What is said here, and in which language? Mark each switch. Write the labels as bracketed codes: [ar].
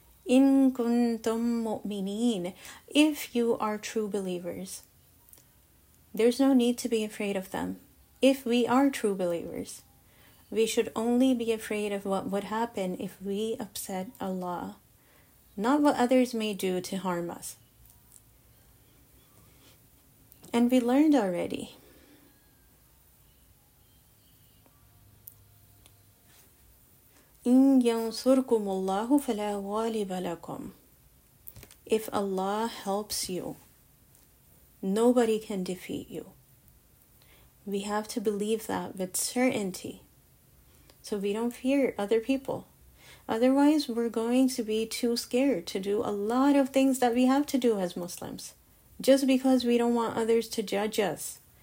[ar] إِن كُنْتُمْ مُؤْمِنِينَ. [en] If you are true believers. There's no need to be afraid of them. If we are true believers, we should only be afraid of what would happen if we upset Allah, not what others may do to harm us. And we learned already [ar] إِن يَنْصُرْكُمُ اللَّهُ فَلَا غَالِبَ لَكُمْ. [en] If Allah helps you, nobody can defeat you. We have to believe that with certainty, so we don't fear other people. Otherwise, we're going to be too scared to do a lot of things that we have to do as Muslims, just because we don't want others to judge us.